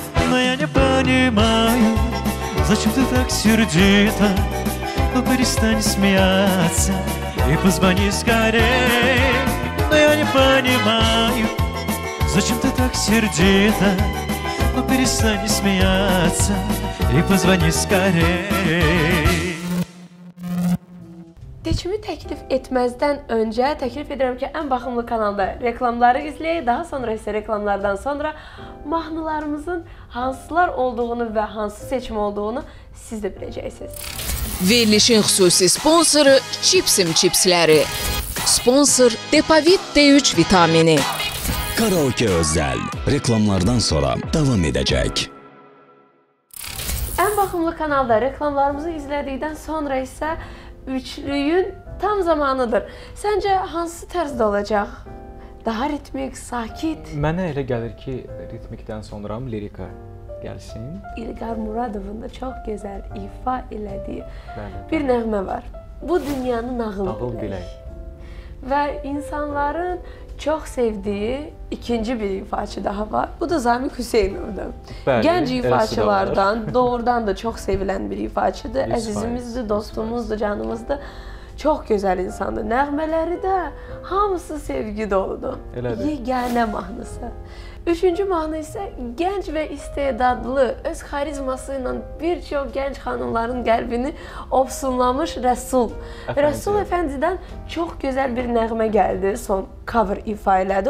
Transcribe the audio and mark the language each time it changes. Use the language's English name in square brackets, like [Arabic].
[Russian] Но я не понимаю, зачем ты так сердито, ну перестань смеяться и позвони скорей. Но я не понимаю, зачем ты так сердита, ну перестань смеяться и позвони скорей. [Azerbaijani] Seçimi təklif etməzdən öncə təklif edirəm ki, ən baxımlı kanalda reklamları izləyək, daha sonra isə reklamlardan sonra mahnılarımızın hansılar olduğunu və hansı seçim olduğunu siz də biləcəksiniz. Verilişin xüsusi sponsoru Chipsim Chipsləri. Sponsor Depavit D3 vitamini. Karaoke özəl. Reklamlardan sonra davam edəcək. Ən baxımlı kanalda reklamlarımızı izlədikdən sonra isə üçlüyün tam zamanıdır. Səncə hansı tərzdə olacaq daha ritmik, sakit. Mənə elə gəlir ki, ritmikdən sonra lirika gəlsin. İlqar Muradovun da çox gözəl ifa elədiyi bir nəğmə var. Bu dünyanın nağılı bilək. Və insanların çox sevdiyi ikinci bir ifaçı daha var. Bu da Zamiq Hüseynovdur. Gənc ifaçılardan doğrudan da çox sevilən bir ifaçıdır. Əzizimizdir, dostumuzdur, canımızdır. Çox gözəl insandır. Nəğmələri də hamısı sevgi doludur. Elədir. Yeganə mahnısı. Üçüncü mahnı isə gənc və istedadlı, öz xarizması ilə bir çox gənc xanımların qəlbini ofsunlamış Rəsul. Rəsul Əfəndidən çox gözəl bir nəğmə gəldi, son cover ifa elədi.